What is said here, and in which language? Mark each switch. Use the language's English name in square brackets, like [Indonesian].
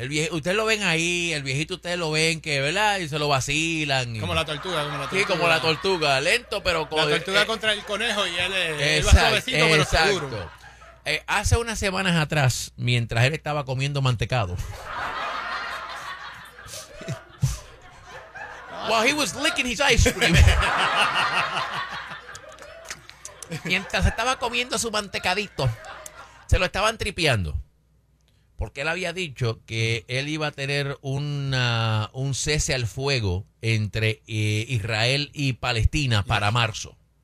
[Spanish] Ustedes lo ven ahí, el viejito, ustedes lo ven que, ¿verdad? Y se lo vacilan. Como la tortuga. Sí, como la tortuga, lento, pero... La tortuga contra el conejo y él es suavecito, pero seguro. Hace unas semanas atrás, mientras él estaba comiendo mantecado... [English] While he was licking his ice cream. [Spanish] Mientras estaba comiendo su mantecadito, se lo estaban tripeando. Porque él había dicho que él iba a tener un cese al fuego entre Israel y Palestina para marzo.